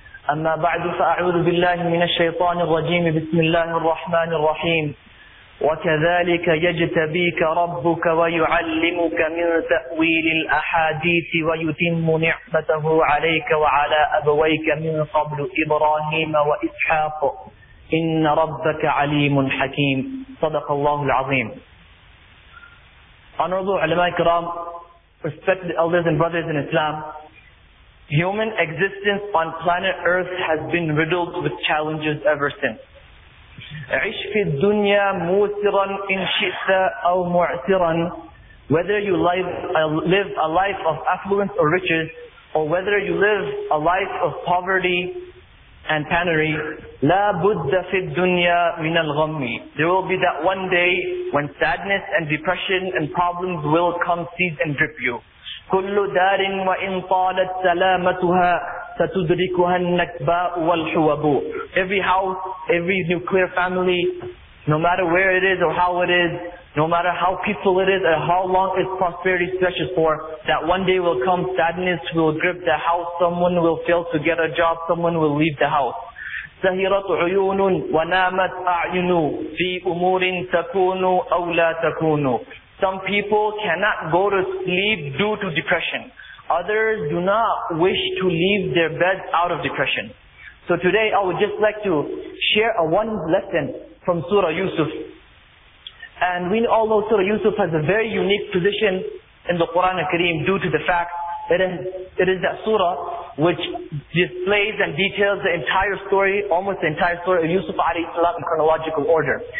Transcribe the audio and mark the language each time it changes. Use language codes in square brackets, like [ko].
[ar] أما بعد فأعوذ بالله من الشيطان الرجيم بسم الله الرحمن الرحيم وكذلك يجتبيك ربك ويعلمك من تأويل الأحاديث ويتم نعمته عليك وعلى أبويك من قبل إبراهيم وإسحاق إن ربك عليم حكيم صدق الله العظيم [en] Honorable علماء الكرام, respected elders and brothers in Islam, human existence on planet Earth has been riddled with challenges ever since. [ar] عِشْ فِي الدُّنْيَا مُوسِرًا إِنْ شِئْتَ أَوْ مُعْسِرًا [en] Whether you live a life of affluence or riches, or whether you live a life of poverty and penury, [ar] لَا بُدَّ فِي الدُّنْيَا مِنَ الْغَمِّ [en] There will be that one day when sadness and depression and problems will come seize and grip you. [ar] كُلُّ دَارٍ وَإِنْ طَالَتْ سَلَامَتُهَا سَتُدْرِكُهَا النَّكْبَاءُ وَالْحُوَبُ [en] Every house, every nuclear family, no matter where it is or how it is, no matter how peaceful it is or how long its prosperity stretches for, that one day will come, sadness will grip the house, someone will fail to get a job, someone will leave the house. [ar] سَهِرَتْ عُيُونٌ وَنَامَتْ أَعْيُنُ فِي أُمُورٍ تَكُونُ أَوْ لَا تَكُونُ [en] Some people cannot go to sleep due to depression. Others do not wish to leave their beds out of depression. So today I would just like to share one lesson from Surah Yusuf. And we all know Surah Yusuf has a very unique position in the Quran al-Kareem due to the fact it is that surah which displays and details the entire story, almost the entire story of Yusuf alayhi salam in chronological order.